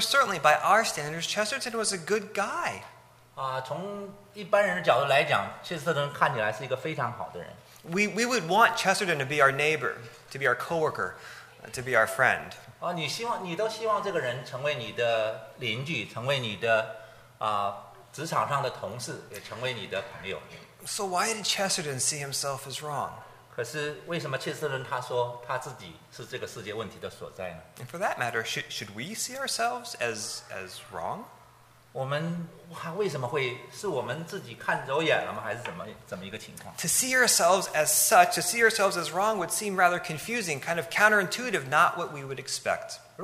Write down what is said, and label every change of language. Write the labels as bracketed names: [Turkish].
[English] certainly, by our standards, Chesterton was a good guy. [Chinese] 从一般人的角度来讲，切斯特顿看起来是一个非常好的人。 [English] We would want Chesterton to be our neighbor, to be our coworker, to be our friend. [Chinese] 你都希望这个人成为你的邻居，成为你的职场上的同事，也成为你的朋友。 [English] So why did Chesterton see himself as wrong? [Chinese] 可是为什么切斯特顿他说他自己是这个世界问题的所在呢？ [English] And for that matter, should we see ourselves as wrong? [Chinese] 我们为什么会是我们自己看走眼了吗？还是怎么一个情况？ [English] To see ourselves as such, to see ourselves as wrong, would seem rather confusing, kind of counterintuitive, not what we would expect.